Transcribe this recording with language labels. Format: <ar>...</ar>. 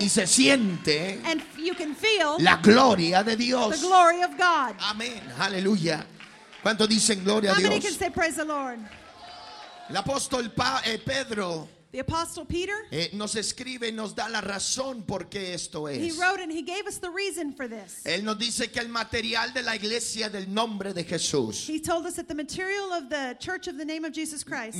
<es>y se siente,</es> <en>and you can feel,</en> <es>la gloria de Dios.</es> <en>The glory of God.</en> <es>Amén. Aleluya. ¿Cuánto dicen gloria a Dios?</es> <en>How many can say praise the Lord?</en> <es>El apóstol Pedro,</es> <en>the apostle Peter,</en> <es>nos escribe y nos da la razón por qué esto es.</es> <en>He wrote and he gave us the reason for this.</en> <es>Él nos dice que el material de la iglesia del nombre de Jesús.</es> <en>He told us that the material of the church of the name of Jesus Christ.</en>